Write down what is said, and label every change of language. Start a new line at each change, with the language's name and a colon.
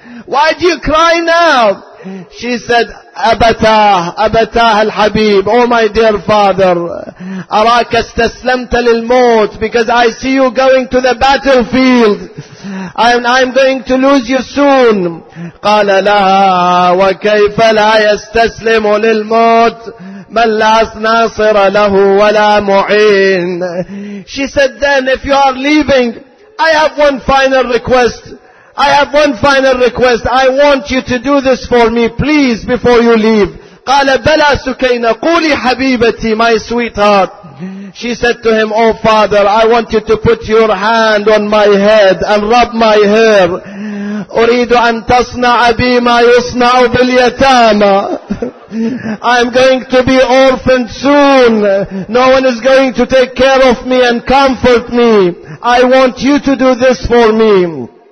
English: Why do you cry now?" She said,
Arabic: "Abatah, Abatah al-Habib,
English: oh my dear father,
Arabic: araka istaslamta lil-maut,
English: because I see you going to the battlefield. I'm going to lose you soon."
Arabic: قال لا وكيف لا يستسلم للموت من لا ناصر له ولا معين.
English: She said, "Then if you are leaving, I have one final request. I have one final request. I want you to do this for me, please, before you leave."
Arabic: قال بلا سكينة قولي حبيبتي,
English: my sweetheart. She said to him, "Oh father, I want you to put your hand on my head and rub my hair.
Arabic: أريد أن تصنع بي ما يصنع باليتامى.
English: I'm going to be orphaned soon. No one is going to take care of me and comfort me. I want you to do this for me."